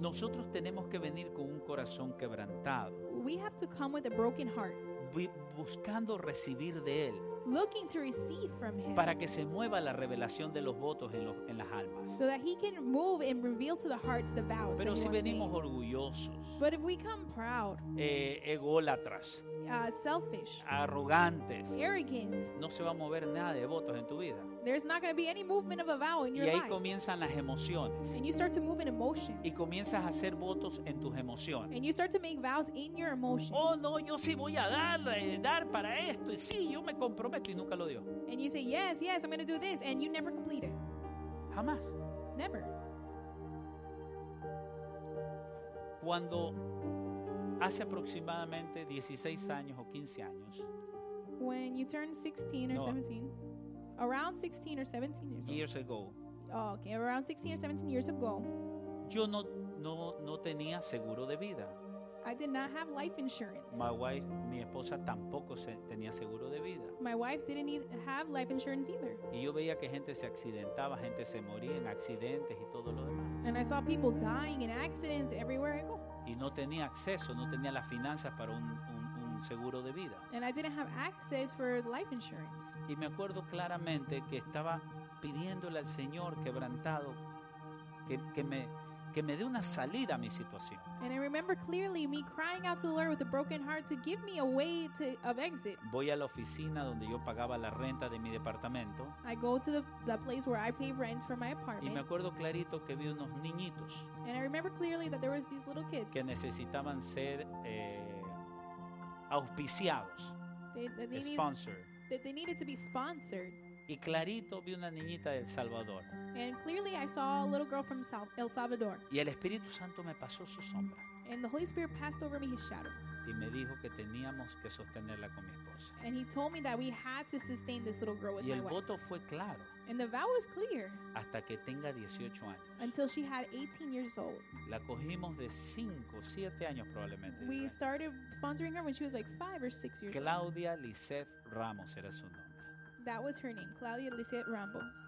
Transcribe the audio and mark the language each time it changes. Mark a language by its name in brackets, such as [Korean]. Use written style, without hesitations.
[Spanish] nosotros tenemos que venir con un corazón quebrantado. [English] We have to come with a broken heart. [Spanish] Buscando recibir de Él. [English] Looking to receive from Him. [Spanish] Para que se mueva la revelación de los votos en las almas. [English] So that He can move and reveal to the hearts the vows. [Spanish] Pero [English] that [Spanish] si [English] he [Spanish] venimos [English] made. [Spanish] Orgullosos. [English] But if we come proud. [Spanish] Ególatras. [English] Selfish. [Spanish] Arrogantes. [English] Arrogant. [Spanish] No se va a mover nada de votos en tu vida. [English] There's not going to be any movement of a vow in your life. [Spanish] Y ahí comienzan las emociones. [English] And you start to move in emotions. [Spanish] Y comienzas a hacer votos en tus emociones. [English] And you start to make vows in your emotions. [Spanish] Oh no, yo sí voy a dar para esto. Y sí, yo me comprometo y nunca lo dio. [English] And you say, yes, yes, I'm going to do this. And you never complete it. [Spanish] Jamás. [English] Never. [Spanish] Cuando hace aproximadamente 16 años o 15 años. [English] When you turn 16 or 17. Around 16 or 17 years, years ago. Oh, okay, around 16 or 17 years ago. [Spanish] Yo no tenía seguro de vida. [English] I did not have life insurance. [Spanish] Mi esposa tampoco tenía seguro de vida. [English] My wife didn't have life insurance either. [Spanish] Y yo veía que gente se accidentaba, gente se moría en accidentes y todo lo demás. [English] And I saw people dying in accidents everywhere I go. [Spanish] Y no tenía acceso, no tenía las finanzas para un seguro de vida. [English] And I didn't have access for life insurance. [Spanish] Y me acuerdo claramente que estaba pidiéndole al Señor quebrantado que me que me dé una salida a mi situación. [English] And I remember clearly me crying out to the Lord with a broken heart to give me a way to of exit. [Spanish] Voy a la oficina donde yo pagaba la renta de mi departamento. [English] I go to the place where I pay rent for my apartment. [Spanish] Y me acuerdo clarito que vi unos niñitos. [English] And I remember clearly that there was these little kids. [Spanish] Que necesitaban ser auspiciados. [English] They needed to be sponsored. [Spanish] Y clarito vi una niñita de El Salvador. [English] And clearly I saw a little girl from El Salvador. [Spanish] Y el Espíritu Santo me pasó su sombra. [English] And the Holy Spirit passed over me his shadow. [Spanish] Y me dijo que teníamos que sostenerla con mi esposa. [English] And he told me that we had to sustain this little girl with my wife. [Spanish] Y el voto fue claro. [English] And the vow was clear. [Spanish] Hasta que tenga 18 años. [English] Until she had 18 years old. [Spanish] La cogimos de 5, 7 años probablemente. [English] We started sponsoring her when she was like 5 or 6 years Claudia old. [Spanish] Claudia Lizeth Ramos era su nombre. [English] That was her name, Claudia Lizeth Ramos.